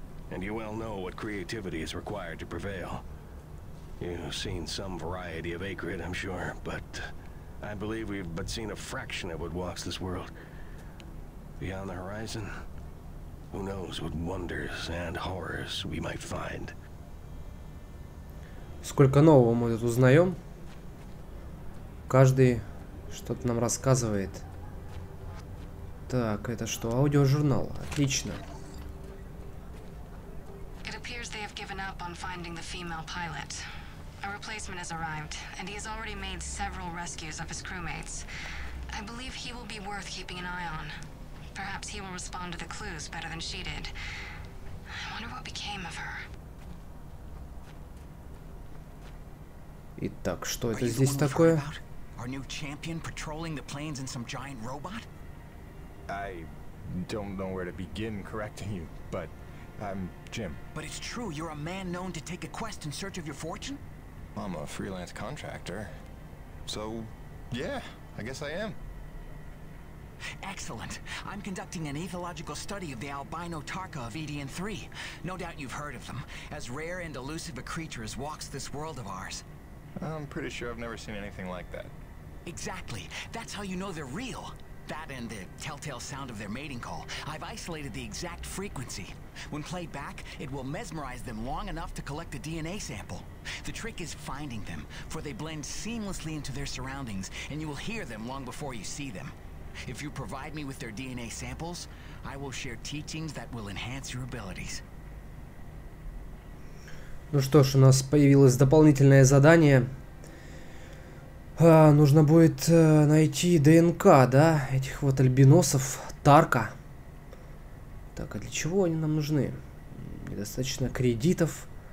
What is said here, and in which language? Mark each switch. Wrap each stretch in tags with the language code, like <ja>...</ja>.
<en>And you well know what creativity is required to prevail. You've seen some variety of Akrit, I'm sure, but I believe we've but seen a fraction of what walks this world. Beyond the horizon, who knows what wonders and horrors we might find.</en> <ru>Сколько нового мы тут узнаем? Каждый что-то нам рассказывает. Так, это что, аудиожурнал? Отлично.</ru> <en>It appears they have given up on finding the female pilot. A replacement has arrived, and he has already made several rescues of his crewmates. I believe he will be worth keeping an eye on. Perhaps he will respond to the clues better than she did. I wonder what became of her.</en> <ru>Итак, что это здесь такое?</ru> <en>Our new champion patrolling the plains in some giant robot? I don't know where to begin correcting you, but I'm Jim. But it's true, you're a man known to take a quest in search of your fortune? I'm a freelance contractor. So, yeah, I guess I am. Excellent. I'm conducting an ethological study of the albino Tarka of EDN 3. No doubt you've heard of them. As rare and elusive a creature as walks this world of ours. I'm pretty sure I've never seen anything like that. Exactly. That's how you know they're real. That and the telltale sound of their mating call. I've isolated the exact frequency. When played back, it will mesmerize them long enough to collect a DNA sample. The trick is finding them, for they blend seamlessly into their surroundings, and you will hear them long before you see them. If you provide me with their DNA samples, I will share teachings that will enhance your abilities.</en> <ru>Ну что ж, у нас появилось дополнительное задание. Нужно будет найти ДНК, да, этих вот альбиносов, Тарка. Так, а для чего они нам нужны? Недостаточно кредитов.</ru>